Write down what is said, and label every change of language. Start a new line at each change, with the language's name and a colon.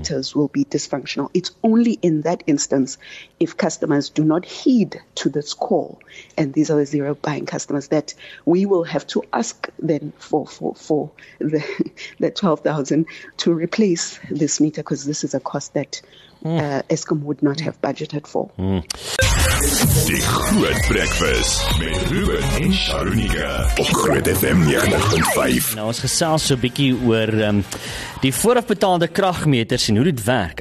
English: Their meters will be dysfunctional. It's only in that instance, if customers do not heed to this call, and these are the zero buying customers, that we will have to ask then for the 12,000 to replace this meter, because this is a cost that Eskom would not have budgeted for.
Afrikaans: Die Groot Breakfast met Ruben en Sharunika op Groot FM 95.5. Nou, ons gesels so 'n bietjie oor die voorafbetaalde kragmeters en hoe dit werk.